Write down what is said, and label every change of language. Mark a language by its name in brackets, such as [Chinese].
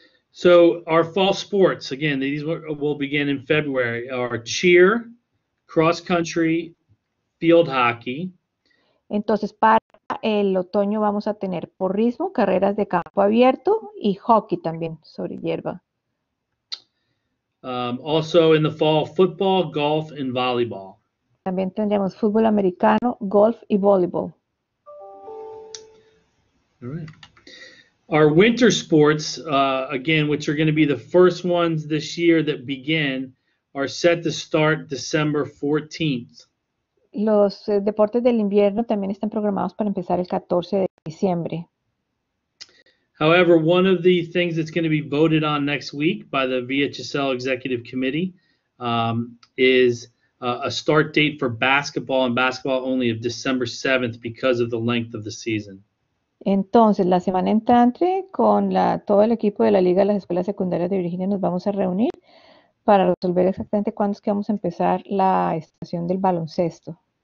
[English] So our fall sports, again, these will begin in February, are cheer, cross country, field hockey. [Spanish] Entonces, para el otoño vamos a tener porrismo, carreras de campo abierto y hockey también sobre hierba. [English] Also in the fall, football, golf and volleyball. [Spanish] También tendremos fútbol americano, golf y voleibol. [English] All right. Our winter sports, again, which are going to be the first ones this year that begin, are set to start December 14th. [Spanish] Los deportes del invierno también están programados para empezar el 14 de diciembre. [English] However, one of the things that's going to be voted on next week by the VHSL Executive Committee is a start date for basketball and basketball only of December 7th because of the length of the season. [Spanish] Entonces, la semana entrante, con todo el equipo de la Liga de las Escuelas Secundarias de Virginia, nos vamos a reunir para resolver exactamente cuándo es que vamos a empezar la estación del baloncesto.